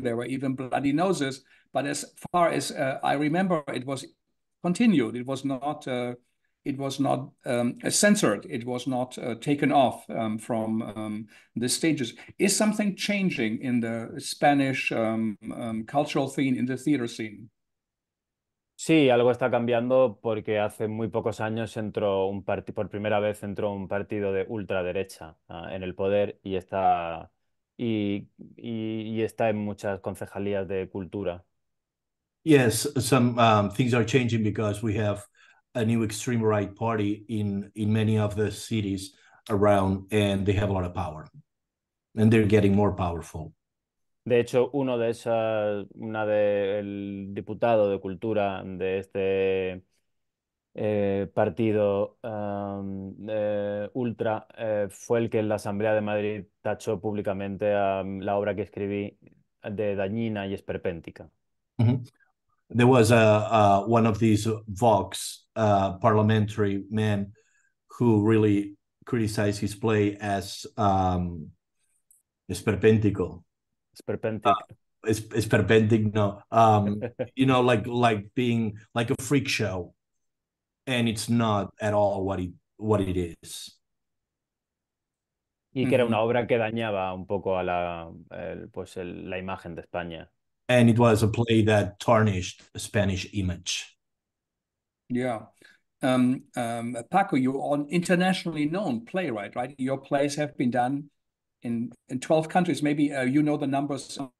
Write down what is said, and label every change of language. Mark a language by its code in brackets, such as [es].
[en] There were even bloody noses. But as far as I remember, it was continued. It was not censored. It was not taken off from the stages. Is something changing in the Spanish cultural scene, in the theater scene? [es] Sí, algo está cambiando porque hace muy pocos años entró un partido, por primera vez entró un partido de ultraderecha en el poder y está en muchas concejalías de cultura. [en] Yes, some things are changing because we have a new extreme right party in many of the cities around, and they have a lot of power, and they're getting more powerful. [es] De hecho, uno de esas, una de el diputado de cultura de este partido ultra fue el que en la Asamblea de Madrid tachó públicamente a la obra que escribí de dañina y esperpéntica. Mm-hmm. [en] There was one of these Vox parliamentary men who really criticized his play as esperpéntico. [es] Esperpéntico. No. [en] you know, like being like a freak show, and it's not at all what it is. [es] Y que era una obra que dañaba un poco a la la imagen de España. [en] And it was a play that tarnished the Spanish image. Yeah. Paco, you're an internationally known playwright, right? Your plays have been done in 12 countries. Maybe you know the numbers.